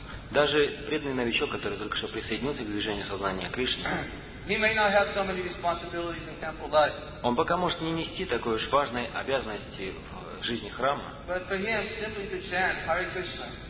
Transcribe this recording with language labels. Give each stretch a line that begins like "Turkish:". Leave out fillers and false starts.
Russian: Даже преданный новичок, который только что присоединился к движению сознания Кришны,
English: he may not have so many responsibilities in temple life.
Russian: Он пока может не нести такой уж важной обязанности в жизни храма.
English: But for him, simply to chant Hare Krishna.